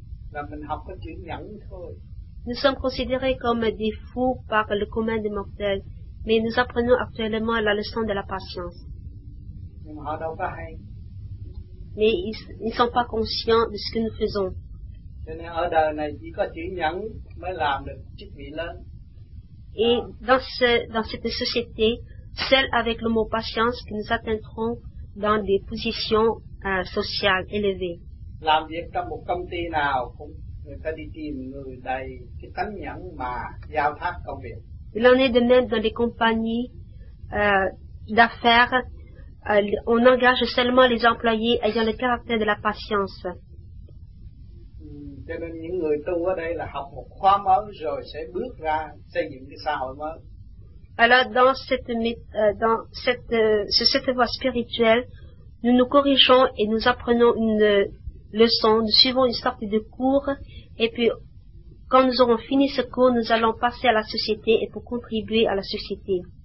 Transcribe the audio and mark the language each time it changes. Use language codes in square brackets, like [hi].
[vi] Là mình học cái chuyện nhẫn thôi. [fr] Nous sommes considérés comme des fous par le commun des mortels, mais nous apprenons actuellement la leçon de la patience. [vi] Nhưng mà họ đâu có hay. [fr] Mais ils ne sont pas conscients de ce que nous faisons. [vi] Cho nên ở đời này chỉ có chuyện nhẫn mới làm được chức vị lớn. [fr] Et dans cette société, seul avec le mot patience que nous atteindrons dans des positions sociales élevées. [vi] Làm việc trong một công ty nào cũng người ta đi tìm người đầy cái tánh nhẫn mà giao thác công việc. [fr] Il en est de même dans les compagnies d'affaires. On engage seulement les employés ayant le caractère de la patience. [vi] Cho nên những người tu ở đây là học một khóa mới rồi sẽ bước ra xây dựng cái xã hội mới. [fr] Alors dans cette voie spirituelle, nous nous corrigeons et nous apprenons une leçon, nous suivons une sorte de cours et puis quand nous aurons fini ce cours, nous allons passer à la société et pour contribuer à la société.